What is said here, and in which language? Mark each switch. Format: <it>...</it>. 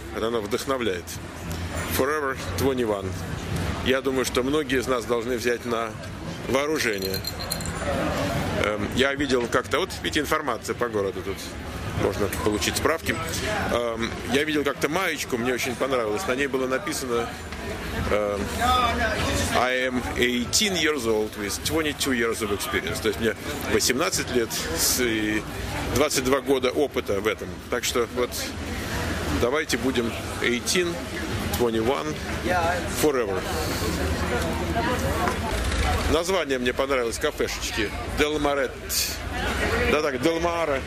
<ru>Оно вдохновляет. Forever 21. Я думаю, что многие из нас должны взять на вооружение. Я видел как-то... Вот, видите, информация по городу тут. Можно получить справки. Я видел как-то маечку, мне очень понравилось. На ней было написано</ru> <en>I am 18 years old with 22 years of experience.</en> <ru>То есть мне 18 лет и 22 года опыта в этом. Так что вот давайте будем 18, 21, forever. Название мне понравилось, кафешечки. Delmaret. Да так, Delmare.</ru>